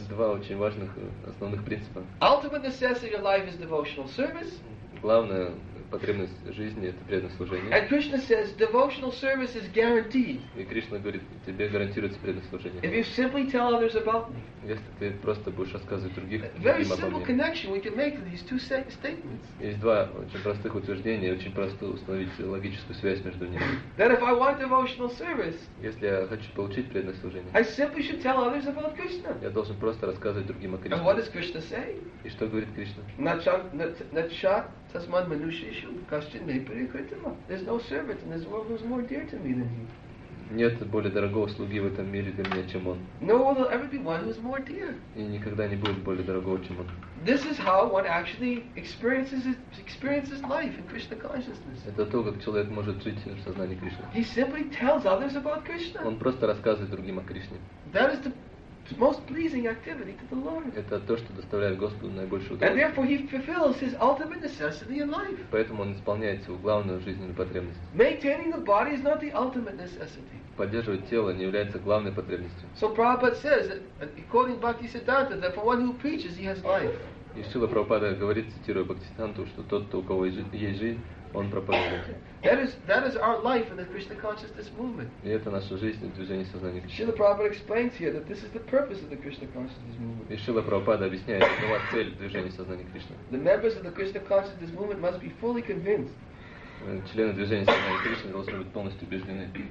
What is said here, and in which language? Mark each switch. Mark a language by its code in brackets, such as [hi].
[ru] Два очень важных основных принципа. [en] Ultimate necessity of life is devotional service. [ru] Главная потребность жизни – это преданное служение. [en] And Krishna says devotional service is guaranteed. [ru] И Кришна говорит, тебе гарантируется преданное служение. [en] If you simply tell others about me. [ru] Если ты просто будешь рассказывать других, [en] very simple connection we can make to these two statements. [ru] Есть два очень простых утверждения, очень просто установить логическую связь между ними. [en] That if I want devotional service, [ru] если я хочу получить преданное служение, [en] I simply should tell others about Krishna. [ru] Я должен просто рассказывать другим о Кришне. [en] And what does Krishna say? [ru] И что говорит Кришна? [sa] Natchatasman manushishu kashchitme parikritama. [en] There's no servant in this world who's more dear to me than you. [ru] Нет более дорогого слуги в этом мире для меня, чем он. [en] No one will ever be one who's more dear. [ru] И никогда не будет более дорогого, чем он. [en] This is how one actually experiences life in Krishna consciousness. [ru] Это то, как человек может жить в сознании Кришны. [en] He simply tells others about Krishna. [ru] Он просто рассказывает другим о Кришне. [en] That is the most pleasing activity to the Lord. [ru] Это то, что доставляет Господу наибольшее удовольствие. [en] And therefore he fulfills his ultimate necessity in life. [ru] Поэтому он исполняет свою главную жизненную потребность. [en] Maintaining the body is not the ultimate necessity. [ru] Поддерживать тело не является главной потребностью. [en] So Prabhupada says, quoting Bhaktisiddhanta, that for one who preaches, he has life. [ru] И Шрила Прабхупада говорит, цитируя Бхактисиддханту, что тот, у кого есть жизнь, он проповедует. [en] That is our life in the Krishna consciousness movement. [ru] И это наша жизнь в движении сознания Кришны. [en] Шрила Прабхупада explains here that this is the purpose of the Krishna consciousness movement. [ru] И Шрила Прабхупада объясняет, какова цель движения сознания Кришны. [en] The members of the Krishna consciousness movement must be fully convinced. [ru] Члены движения сознания Кришны должны быть полностью убеждены.